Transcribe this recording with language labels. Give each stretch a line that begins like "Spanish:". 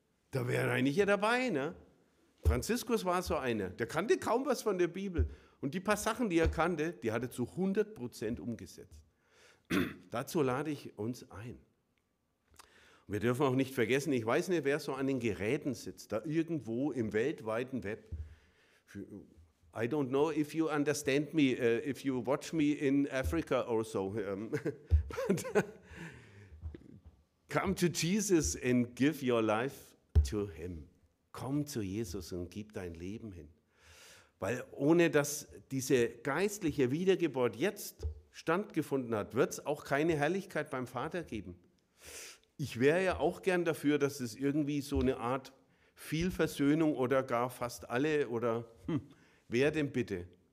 German: Da wäre eigentlich ja dabei, ne? Franziskus war so einer. Der kannte kaum was von der Bibel. Und die paar Sachen, die er kannte, die hat er zu 100% umgesetzt. Dazu lade ich uns ein. Und wir dürfen auch nicht vergessen, ich weiß nicht, wer so an den Geräten sitzt, da irgendwo im weltweiten Web.
English: I don't know if you understand me, if you watch me in Africa or so. But come to Jesus and give your life to him.
German: Komm zu Jesus und gib dein Leben hin. Weil ohne dass diese geistliche Wiedergeburt jetzt standgefunden hat, wird es auch keine Herrlichkeit beim Vater geben. Ich wäre ja auch gern dafür, dass es irgendwie so eine Art Vielversöhnung oder gar fast alle oder... Wer denn bitte?